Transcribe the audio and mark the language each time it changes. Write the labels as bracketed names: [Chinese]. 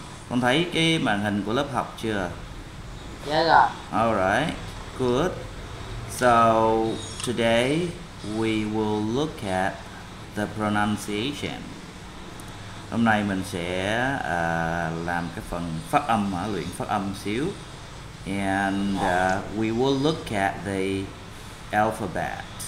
[Vietnamese] Con thấy cái màn hình của lớp học chưa? [English] Yes. All right. Good. So today we will look at the pronunciation. [Vietnamese] Hôm nay mình sẽ làm cái phần phát âm, luyện phát âm xíu. [English] And we will look at the alphabet.